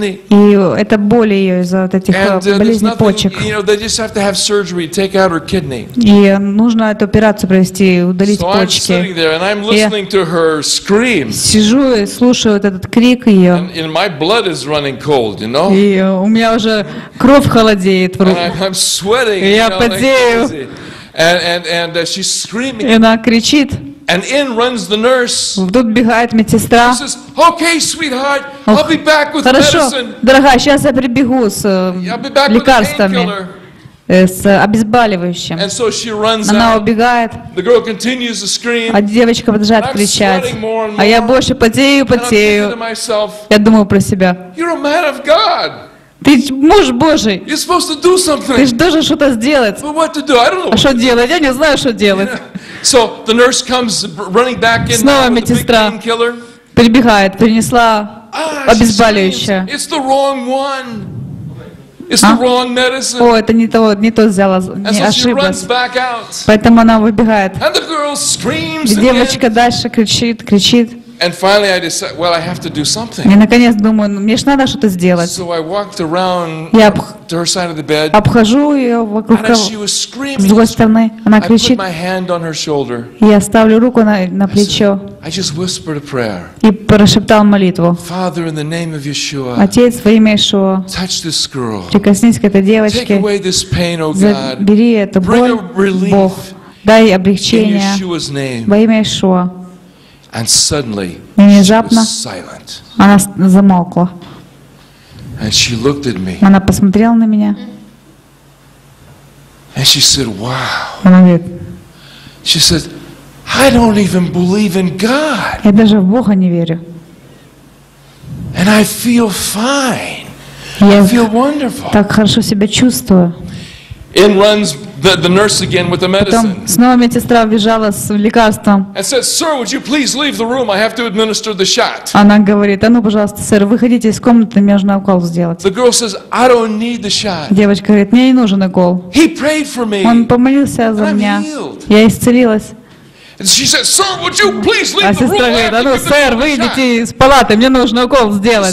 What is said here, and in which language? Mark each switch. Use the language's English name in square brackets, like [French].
[Russian] И это боль ее из-за вот этих болезней почек. [English] You know, they just have to have surgery, take out her kidney. [Russian] И нужно эту операцию провести, удалить почки. [English] So I'm sitting there and I'm listening to her scream. [Russian] Сижу и слушаю этот крик ее. [English] And my blood is running cold, you know. [Russian] И у меня уже кровь холодеет в руку. И я потею. И она кричит. [English] And in runs the nurse. [Russian] Тут бегает медсестра. [English] She says, "Okay, sweetheart, I'll be back with [Russian] Хорошо, [English] medicine." [Russian] Дорогая, сейчас я прибегу с лекарствами. С обезболивающим. [English] And so she runs [Russian] Она [English] out. [Russian] Убегает. [English] The girl continues to scream. [Russian] А девочка продолжает кричать. [English] More more. [Russian] А я больше потею, потею. [English] Myself, [Russian] я думаю про себя. [English] You're a man of God. [Russian] Ты муж Божий. [English] You're supposed to do something. [Russian] Ты же должен что-то сделать. [English] But what to do? I don't know what [Russian] а что делать? Я не знаю, что делать. [English] Yeah. So the nurse comes running back in. [Russian] Снова медсестра прибегает, принесла обезболивающее. [English] It's the wrong one. It's the wrong medicine. [Russian] О, это не то взяла, не ошиблась. Поэтому она выбегает. [English] And the girl screams [Russian] И девочка [English] again. [Russian] Дальше кричит. [English] And finally I decide, well, I have to do something. [Russian] И наконец думаю, мне же надо что-то сделать. [English] So I walked around to her side of the bed. [Russian] Обхожу ее вокруг. [English] And she was screaming. [Russian] С другой стороны, она кричит. [English] I put my hand on her shoulder. [Russian] Я ставлю руку на плечо. [English] I just whispered a prayer. [Russian] И прошептал молитву. [English] Father, in the name of Yeshua. [Russian] Отец, во имя Иешуа. [English] Touch this girl. [Russian] Прикоснись к этой девочке. [English] Take away this pain, oh God. [Russian] Забери эту боль, Бог. Дай облегчение. [English] In Yeshua's name. [Russian] Во имя Иешуа. [English] And suddenly, [Russian] внезапно, [English] she was silent. [Russian] Она замолкла. [English] And she looked at me. [Russian] Она посмотрела на меня. [English] And she said, "Wow." [Russian] Она говорит. [English] She said, "I don't even believe in God." [Russian] Я даже в Бога не верю. [English] And I feel fine. I feel wonderful. [Russian] Так хорошо себя чувствую. [English] In runs the nurse again with the medicine. [Russian] Потом снова медсестра вбежала с лекарством. [English] And says, "Sir, would you please leave the room? I have to administer the shot." [Russian] Она говорит: "А ну, пожалуйста, сэр, выходите из комнаты, мне нужно укол сделать." [English] The girl says, "I don't need the shot." [Russian] Девочка говорит: "Мне не нужен укол." [English] He prayed for me. [Russian] Он помолился за меня. Я исцелилась. [English] She said, "Sir, would you please leave the room?" [Russian] Говорит, ну, сэр, выйдите из палаты, мне нужно укол сделать.